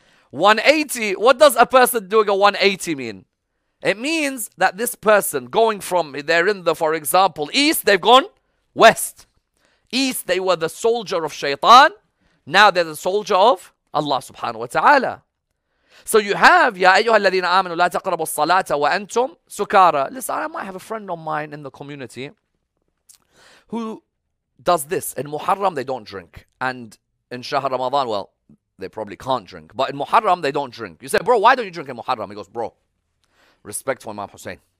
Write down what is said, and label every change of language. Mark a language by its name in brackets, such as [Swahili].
[English] 180, what does a person doing a 180 mean? It means that this person going from, they're in the, for example, east, they've gone west. East, they were the soldier of shaitan. Now they're the soldier of Allah subhanahu wa ta'ala. So you have, [Arabic] يَا أَيُّهَا الَّذِينَ آمَنُوا لَا تَقْرَبُوا الصَّلَاةَ وَأَنْتُمْ سُكَارَى. [English] Listen, I might have a friend of mine in the community who does this. In Muharram, they don't drink. And in Shahr Ramadan, well, they probably can't drink. But in Muharram, they don't drink. You say, bro, why don't you drink in Muharram? He goes, bro, respect for Imam Hussein.